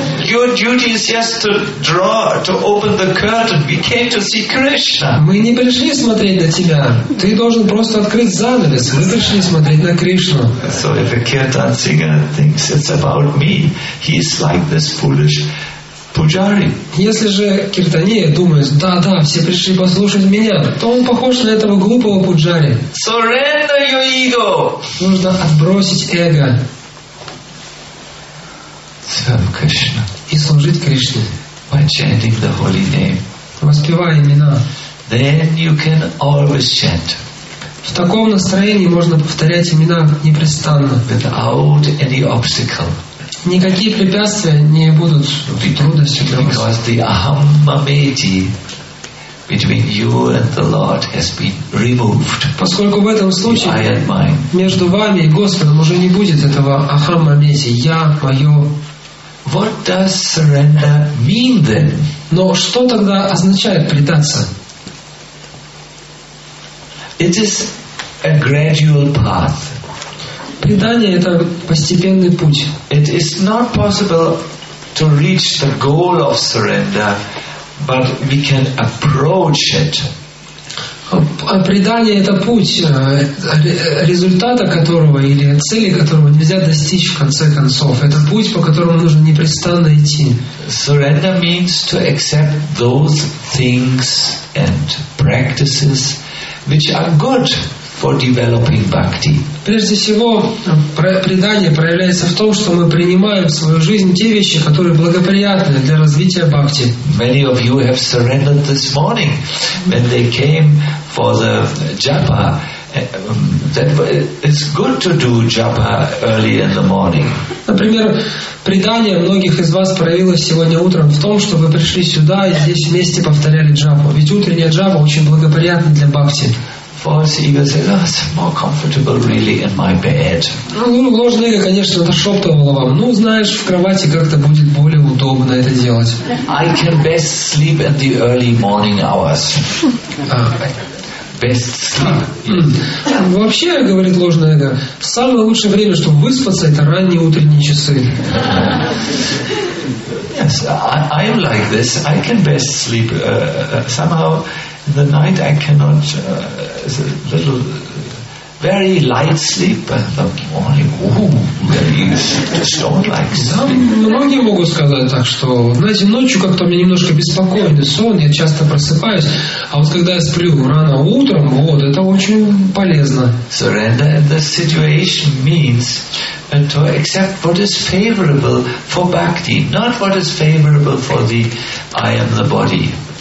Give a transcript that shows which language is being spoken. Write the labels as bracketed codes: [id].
[en] Your duty is just to draw, to open the curtain. We came to see Krishna. [ru] Мы не пришли смотреть на тебя. Ты должен просто открыть занавес. Мы пришли смотреть на Кришну. [en] So if a kirtan singer thinks it's about me, he's like this foolish pujari. [ru] Если же киртанея думает, да, все пришли послушать меня, то он похож на этого глупого пуджари. [en] Surrender your ego. [ru] Нужно отбросить эго. [en] Serve Krishna. [ru] И служить Кришне. [en] By chanting the holy name. [ru] Воспевая имена. [en] Then you can always chant. [ru] В таком настроении можно повторять имена непрестанно. [en] Without any obstacle. [ru] Никакие препятствия не будут трудностью для вас. [en] Because the ahammameti between you and the Lord has been removed. [ru] Поскольку в этом случае между вами и Господом уже не будет этого ahammameti. Я, мое. [en] What does surrender mean then? [ru] Но что тогда означает предаться? [en] It is a gradual path. [ru] Предание это постепенный путь. [en] It is not possible to reach the goal of surrender, but we can approach it. [ru] Предание это путь, результата которого или цели которого нельзя достичь в конце концов. Это путь, по которому нужно непрестанно идти. [en] Surrender means to accept those things and practices which are good for developing bhakti. [ru] Прежде всего, предание проявляется в том, что мы принимаем в свою жизнь те вещи, которые благоприятны для развития бхакти. [en] Many of you have surrendered this morning when they came for the japa. That it's good to do japa early in the morning. [ru] Например, предание многих из вас проявилось сегодня утром в том, что вы пришли сюда и здесь вместе повторяли джапу. Ведь утренняя джапа очень благоприятна для бхакти. [en] False ego says, "Oh, it's more comfortable, really, in my bed." [ru] Ложное эго, конечно, нашептывало вам. Ну, знаешь, в кровати как-то будет более удобно это делать. [en] I can best sleep at the early morning hours. Best sleep. [ru] Вообще, говорит ложное эго, самое лучшее время, чтобы выспаться, это ранние утренние часы. [en] Yes, I am like this. I can best sleep somehow. The night I cannot is a little very light sleep, but the morning, very stone-like sleep. [ru] Многие могут сказать так, что, знаете, ночью как-то мне немножко беспокойный сон, я часто просыпаюсь, а вот когда я сплю рано утром, вот это очень полезно. [en] Surrender in this situation means to accept what is favorable for bhakti, not what is favorable for the I am the body.